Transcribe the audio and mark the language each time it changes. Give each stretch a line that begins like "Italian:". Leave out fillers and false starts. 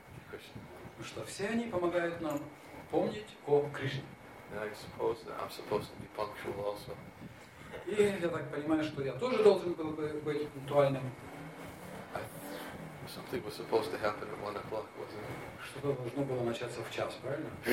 Russian: Потому что все они помогают нам помнить о Кришне.
English: I suppose that I'm supposed to be punctual also.
Russian: И я так понимаю, что я тоже должен был бы быть пунктуальным.
English: Something was supposed to happen at 1 o'clock, wasn't it?
Russian: Что-то должно было начаться в час, правильно?